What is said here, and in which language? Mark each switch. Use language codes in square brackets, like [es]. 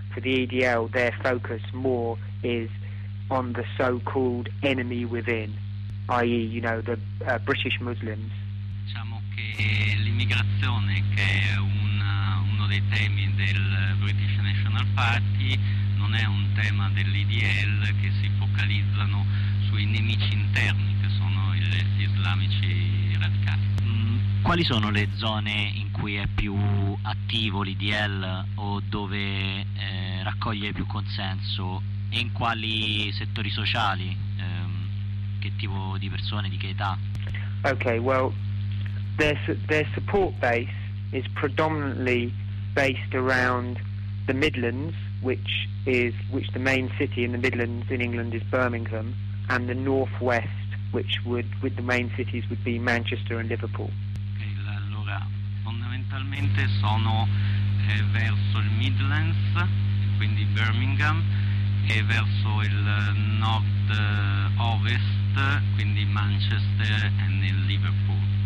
[en] For the EDL, their focus more is on the so-called enemy within, i.e., you know, the British Muslims. [it] diciamo che l'immigrazione, che è uno dei temi del British National Party, non è un tema dell'IDL, che si focalizzano sui nemici interni, che sono gli islamici radicali. Quali sono le zone in cui è più attivo l'IDL o dove raccoglie più consenso e in quali settori sociali? Che tipo di persone, di che età? [en] Okay, well, their support base is predominantly based around the Midlands, which the main city in the Midlands in England is Birmingham, and the northwest, with the main cities would be Manchester and Liverpool. [it] Okay, allora fondamentalmente sono verso il Midlands, quindi Birmingham, e verso il nord ovest, quindi Manchester and in Liverpool.